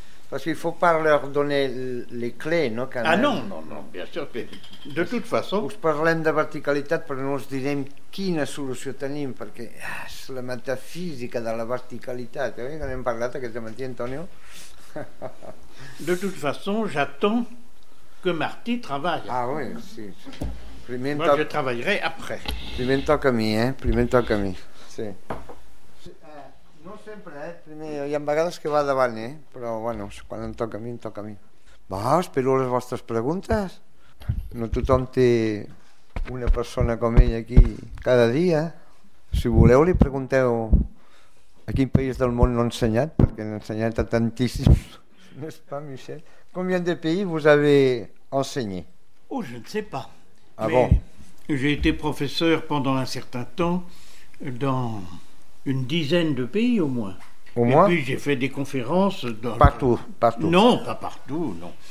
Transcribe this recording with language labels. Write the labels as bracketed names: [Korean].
[French] Parce qu'il ne faut pas leur donner les clés, non, quand même. Ah non, bien sûr que... De toute façon... [Catalan] Us parlem de verticalitat, però no us direm quina solució tenim, perquè és la metafísica de la verticalitat. Eh? Que n'hem parlat aquest matí, Antonio. [French] De toute façon, j'attends que Martí treballe. Ah oui, sí. Primer moi, je travaillerai après. [Catalan] Primer toc a mi, eh? Primer toc a mi, sí. No sempre, primer, hi ha vegades que va davant, però bueno, quan em toca a mi, em toca a mi. Va, espero les vostres preguntes. No tothom té una persona com ell aquí cada dia. Si voleu, li pregunteu a quin país del món no ha ensenyat, perquè n'ha ensenyat a tantíssims. No és pas, Michel. [French] Combien de pays vous avez enseigné? Oh, je ne sais pas. Ah, mais bon. J'ai été professeur pendant un certain temps dans... une dizaine de pays au moins. Au moins. Et puis j'ai fait des conférences dans... Partout. Non, pas partout, non.